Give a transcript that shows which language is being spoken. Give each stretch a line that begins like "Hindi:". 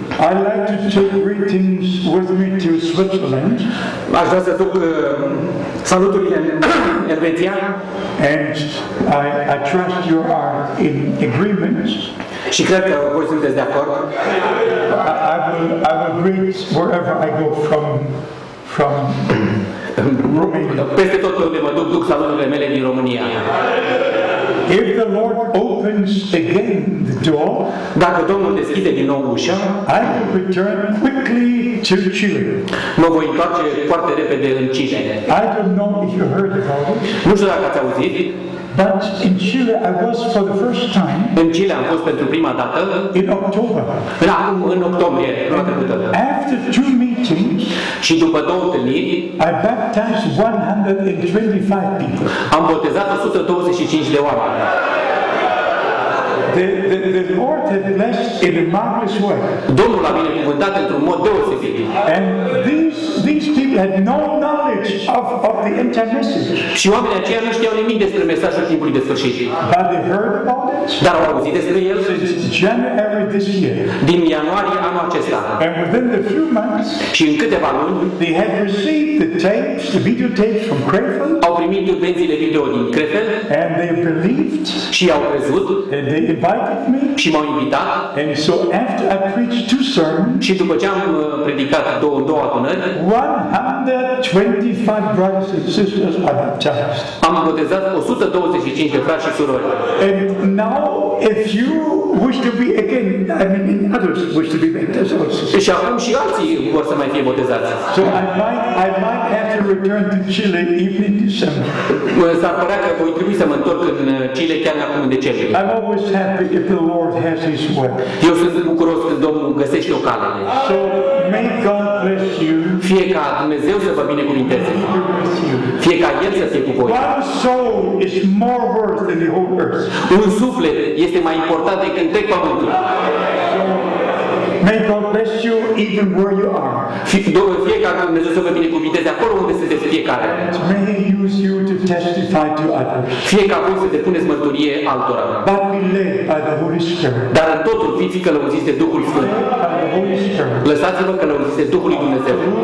English: I like to take greetings with me to Switzerland.
Romanian: Aș vrea să duc salutul în Elveția.
English: And I trust you are in agreement.
Romanian: Și cred că voi sunteți de acord.
English: I will greet wherever I go from Romania.
Romanian: Peste tot unde mă duc, duc salutul mele din România.
English: If the Lord opens again the door,
Romanian: dacă Domnul deschide din nou ușa,
English: I will return quickly to Chile.
Romanian: Mă voi întoarce foarte repede în Chile.
English: I don't know if you heard about it.
Romanian: Nu știu dacă ați auzit.
English: But in Chile I was for the first time.
Romanian: În Chile am fost pentru prima dată.
English: In October.
Romanian: În octombrie.
English: After two meetings.
Romanian: Și după două întâlniri.
English: I baptized 125 people.
Romanian: Am botezat 125 de oameni.
English: The Lord had blessed in a marvelous way.
Romanian: Domnul a binecuvântat într-un mod deosebit.
English: And these people had no knowledge of the entire message.
Romanian: Și oamenii aceia nu știau nimic despre mesajul timpului de sfârșit.
English: But they heard about it.
Romanian: Dar au auzit despre el.
English: January this year.
Romanian: Din ianuarie anul acesta.
English: And within a few months.
Romanian: Și în câteva luni.
English: They had received the tapes, the video tapes from Krefeld.
Romanian: Au primit benzile video din Krefeld.
English: And they believed.
Romanian: Și au crezut.
English: Invited me.
Romanian: Și m-au invitat.
English: And so after I preached two sermons,
Romanian: și după ce am predicat două adunări,
English: 125 brothers and sisters are baptized.
Romanian: Am botezat 125 de frați și surori.
English: And now if you wish to be again, I mean others wish to be baptized.
Romanian: Și acum și alții vor să mai fie botezați.
English: So I might have to return to Chile even in December.
Romanian: S-ar părea că voi trebui să mă întorc în Chile chiar acum în decembrie.
English: I'm always happy if the Lord has His way.
Romanian: Eu sunt bucuros când Domnul găsește o cale.
English: So may God bless you.
Romanian: Fie ca Dumnezeu să vă binecuvinteze. Fie ca El să fie cu voi.
English: One soul is more worth than the whole earth.
Romanian: Un suflet este mai important decât întreg pământul.
English: May God bless you even where you are.
Romanian: Fie ca Dumnezeu să vă binecuvinteze acolo unde sunteți fiecare.
English: May He use you to testify to others.
Romanian: Fie ca voi să depuneți mărturie altora.
English: But be led by the Holy Spirit.
Romanian: Dar în totul fiți călăuziți de Duhul Sfânt. Lăsați-vă călăuziți de Duhul Dumnezeu.